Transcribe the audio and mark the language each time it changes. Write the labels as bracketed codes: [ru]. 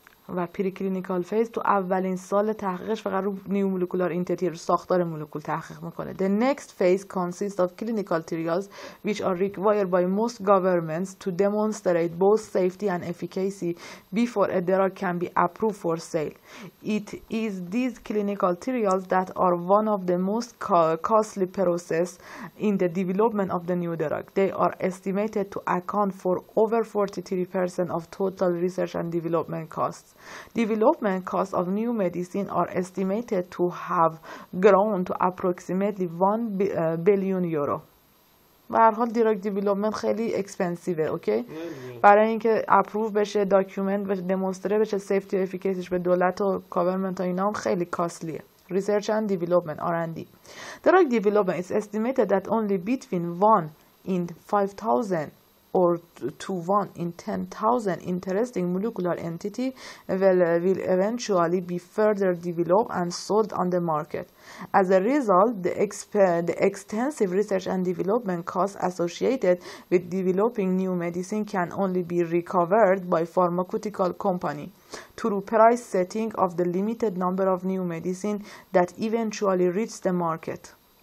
[fa] و پری کلینیکال فیز تو اولین سال تحقیقش فقط رو نیو مولکولار اینتیتی رو ساختار مولکول تحقیق میکنه. [en] The next phase consists of clinical trials which are required by most governments to demonstrate both safety and efficacy before a drug can be approved for sale. It is these clinical trials that are one of the most costly process in the development of the new drug. They are estimated to account for over 43% of total research and development costs. Development costs of new medicine are estimated to have grown to approximately 1 billion euro. [fa] به هر حال دراگ دیولپمنت خیلی اکسپنسیوه، اوکی؟ برای اینکه اپروو بشه، داکیومنت بشه، دمونستره بشه سیفتی و افیکیسیش به دولت و گورنمنت ها، اینا هم خیلی کاستلیه. [en] Research and development R&D. Drug development is estimated that only between 1 in 5000 or to 1 in 10,000 interesting molecular entity will eventually be further developed and sold on the market. As a result, the extensive research and development costs associated with developing new medicine can only be recovered by pharmaceutical company through price setting of the limited number of new medicine that eventually reach the market.